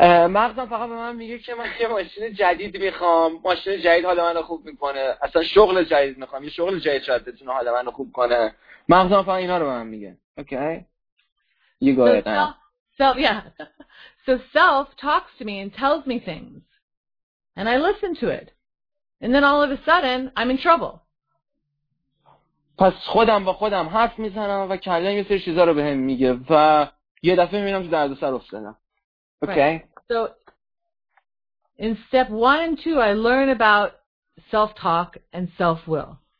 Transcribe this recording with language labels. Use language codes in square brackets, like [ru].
[fa] مغزم فقط به من میگه که من یه ماشین جدید میخوام، ماشین جدید حالا منو خوب میکنه، اصلا شغل جدید میخوام، یه شغل جدید شاید بتونه حالا منو خوب کنه. مغزم فقط اینا رو به من میگه. [en] Okay, you go ahead. So self talks to me and tells me things and I listen to it and then all of a sudden I'm in trouble. [fa] پس خودم با خودم حرف میزنم و کلیم یه سری چیزها رو به هم میگه و یه دفعه میبینم تو درد سر افتادم. [en] Okay. Right. So in step 1 and 2 I learn about self-talk and self-will.